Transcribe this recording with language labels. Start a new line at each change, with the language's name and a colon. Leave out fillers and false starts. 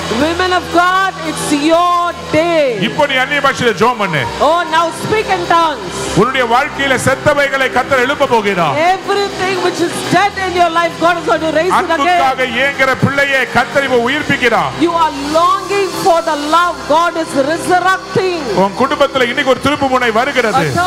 English: Women of God, it's your day.
Tamil: இப்போ நீ அன்னிய பாஷையில் ஜெபம் பண்ணு.
English: Oh, now speak in tongues.
Tamil: உன்னுடைய வாழ்க்கையில செத்தவைகளை கர்த்தர் எழுப்ப போகிறார்.
English: Everything which is dead in your life, God is going to raise it again.
Tamil: அன்புக்காக ஏங்குகிற பிள்ளையை கர்த்தர் இப்ப உயிர்ப்பிக்கிறார்.
English: You are longing for the love, God is resurrecting.
Tamil: உன் குடும்பத்தில் ஒரு திருப்பு முனை வருகிறது.